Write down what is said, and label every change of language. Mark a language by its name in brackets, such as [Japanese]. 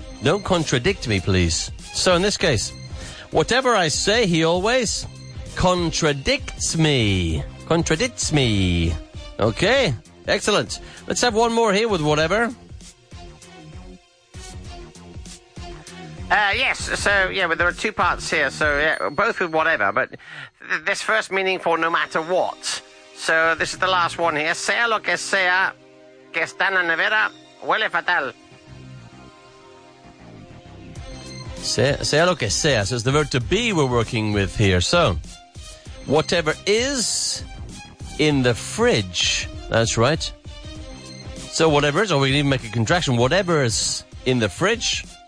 [English] Don't contradict me, please. So, in this case, whatever I say, he always contradicts me. Contradicts me. Okay? Excellent. Let's have one more here with whatever. Yes, so, yeah, but there are two parts here, so, yeah, both with whatever, but this first meaning for no matter what. So, this is the last one here. [Spanish] Sea lo que sea, que está en la nevera, huele fatal. Sea lo que sea, [English] so it's the verb to be we're working with here. So, whatever is in the fridge, that's right. So, whatever is, or we can even make a contraction, whatever is in the fridge...